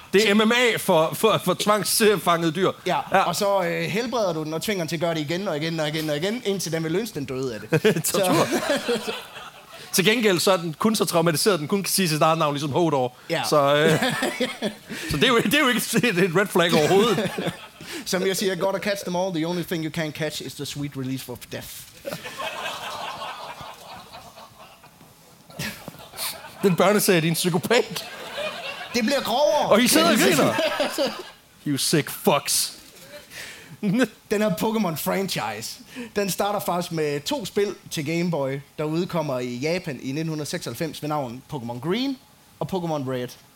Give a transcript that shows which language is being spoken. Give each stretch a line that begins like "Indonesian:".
Danish: Det er MMA for tvangsfanget dyr. Ja. Ja, og så helbreder du den og tvinger den til at gøre det igen og igen og igen og igen, indtil den vil lønse den døde af det. Til gengæld så er den kun så traumatiseret, den kun kan sige sit eget navn, ligesom Hodor. Ja. Så, så det er jo ikke et red flag overhovedet.
English: Som jeg siger, gotta catch them all, the only thing you can't catch is the sweet release of death.
Danish: Den børnesag er din psykopat. Det bliver grovere. Og I sidder og griner. You sick fucks. Den her Pokémon franchise, den starter faktisk med to spil til Game Boy, der udkommer i Japan i 1996 med navn Pokémon Green og Pokémon Red.